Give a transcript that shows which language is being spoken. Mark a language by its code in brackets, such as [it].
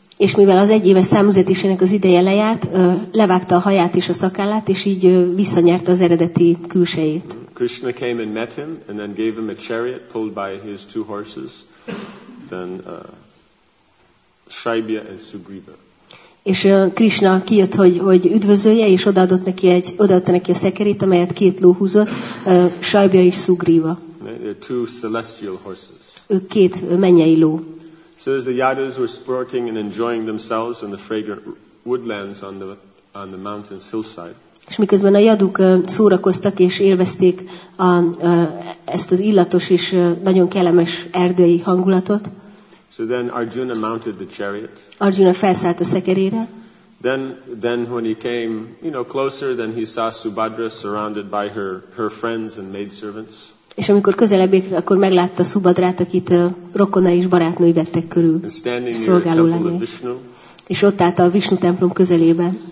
[hu] És mivel az egy éves számüzetésének az ideje lejárt, levágta a haját és a szakállát, és így visszanyerte az eredeti külsejét. [en] Krishna came and met him and then gave him a chariot pulled by his two horses, then Shaibya and Sugriva. [hu] És Krishna kijött, hogy üdvözölje, és odaadta neki a szekerét, amelyet két ló húzott, Shaibya és Sugriva. [en] Two celestial horses. [hu] Ők két mennyei ló. [en] So as the Yadus were sporting and enjoying themselves in the fragrant woodlands on the mountain's hillside. [hu] És miközben a Yaduk szórakoztak és élvezték ezt az illatos és nagyon kellemes erdői hangulatot. [en] So then Arjuna mounted the chariot. [hu] Arjuna felszállt a szekerére. [en] Then when he came, you know, closer, then he saw Subhadra surrounded by her friends and maidservants. [hu] És amikor közelebb ért, akkor meglátta Subhadrát, akit rokonai és barátnői vettek körül, szolgáló lányai. És ott állt a Vishnu templom közelében.